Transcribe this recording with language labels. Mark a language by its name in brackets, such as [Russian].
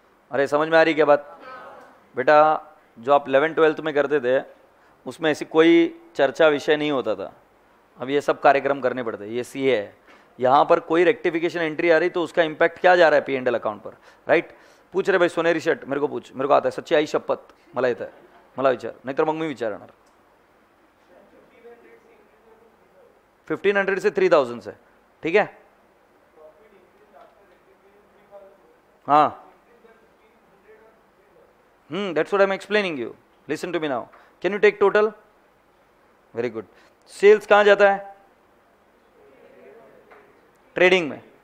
[Hindi] अरे समझ में आ रही क्या बात बेटा, जो आप 11th 12th में करते थे उसमें ऐसी कोई चर्चा विषय नहीं होता था, अब ये सब कार्यक्रम करने पड़ते, ये सी है, यहां पर कोई रेक्टिफिकेशन एंट्री आ रही तो उसका इंपैक्ट क्या जा रहा है पी एंड एल अकाउंट पर, राइट। पूछ रहे भाई सोनेरी शर्ट, मेरे को पूछ, मेरे को आता है सच्ची [Marathi] आई शपथ, मला येत आहे, मला विचार, नाहीतर मग मी विचारणार। [Hindi] 1500 से 3000 से, ठीक है हाँ, [English] That's what I am explaining you, listen to me now, can you take total, very good. [Hindi] Sales कहाँ जाता है, ट्रेडिंग में,